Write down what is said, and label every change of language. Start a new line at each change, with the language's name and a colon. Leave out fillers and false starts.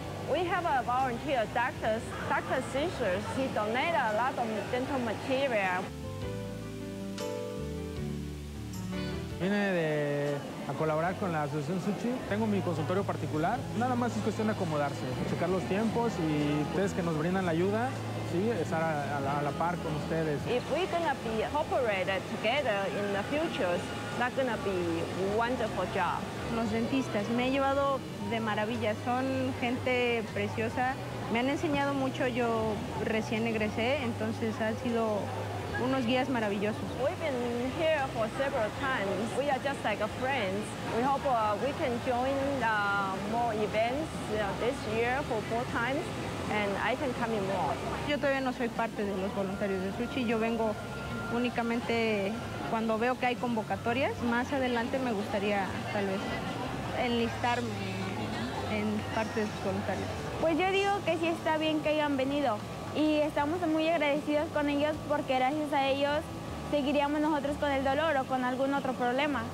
English: We have a volunteer doctor sisters. He donated a lot of dental material.
Spanish: Vine a colaborar con la asociación Tzu Chi. Tengo mi consultorio particular. Nada más es cuestión de acomodarse, checar los tiempos y ustedes que nos brindan la ayuda, sí, estar a la par con ustedes.
English: If we're going to be cooperated together in the future, that's going to be a wonderful job.
Spanish: Los dentistas me han llevado de maravilla. Son gente preciosa. Me han enseñado mucho. Yo recién egresé, entonces han sido unos guías maravillosos.
English: We've been here for several times. We are just like a friends. We hope we can join more events this year for 4 times, and I can come in more.
Spanish: Yo todavía no soy parte de los voluntarios de Tzu Chi. Yo vengo únicamente cuando veo que hay convocatorias. Más adelante me gustaría tal vez enlistarme en parte de sus voluntarios. Pues yo digo que sí está bien que hayan venido. Y estamos muy agradecidos con ellos porque gracias a ellos seguiríamos nosotros con el dolor o con algún otro problema.